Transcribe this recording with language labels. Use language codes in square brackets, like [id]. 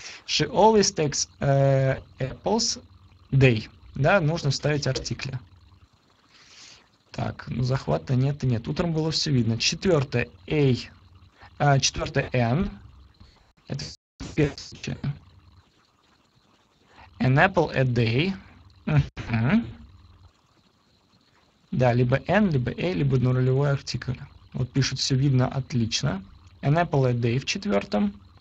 [en] She always takes apples. Day. [ru] Да, нужно вставить артикли. Так, ну захвата нет и нет. Утром было все видно. Четвертое A. Четвертое N. Это первое. [en] An apple a day. [ru] Да, либо N, либо A, либо нулевой артикль. Вот пишут, все видно отлично. [en] An apple a day [ru] в четвертом.